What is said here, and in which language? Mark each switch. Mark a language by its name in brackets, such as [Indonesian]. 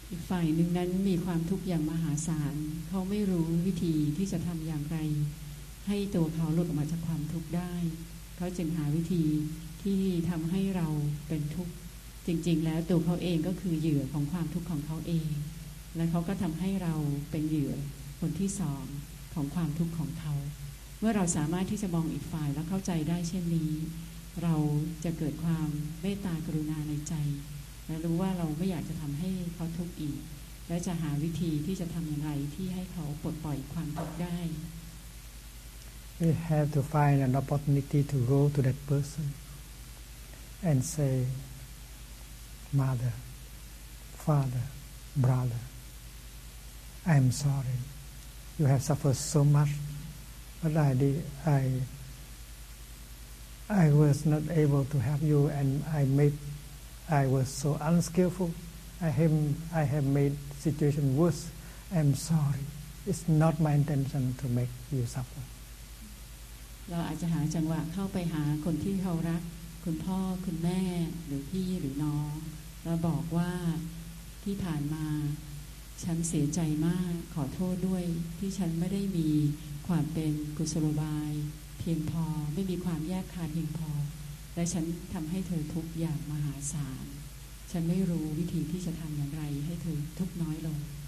[Thai] ฝ่ายหนึ่งนั้นมีความทุกข์อย่างมหาศาลเขาไม่รู้วิธีที่จะทำอย่างไรให้ตัวเขาหลุดออกมาจากความทุกข์ได้เขาจึงหาวิธีที่ทำให้เราเป็นทุกข์จริงๆแล้วตัวเขาเองก็คือเหยื่อของความทุกข์ของเขาเองและเขาก็ทำให้เราเป็นเหยื่อคนที่สองของความทุกข์ของเขาเมื่อเราสามารถที่จะมองอีกฝ่ายและเข้าใจได้เช่นนี้ เราจะเกิดความเมตตากรุณาในใจและรู้ว่าเราไม่อยากจะทำให้เขาทุกข์อีกและจะหาวิธีที่จะทำอย่างไรที่ให้เขาปลดปล่อยความทุกข์ได้ [English] We have to find an opportunity to go to that person and say Mother, Father, Brother, I am sorry. You have suffered so much, but I was not able to help you, and I was so unskillful. I have made situation worse. I'm sorry. It's not my intention to make you suffer. [Thai] เราอาจจะหาจังหวะเข้าไปหาคนที่เรารักคุณพ่อคุณแม่หรือพี่หรือน้องแล้วบอกว่าที่ผ่านมาฉันเสียใจมากขอโทษด้วยที่ฉันไม่ได้มีความเป็นกุศโลบายเพียงพอไม่มีความแยกคายเพียงพอและฉันทำให้เธอทุกข์อย่างมหาศาลฉันไม่รู้วิธีที่จะทำอย่างไรให้เธอทุกข์น้อยลง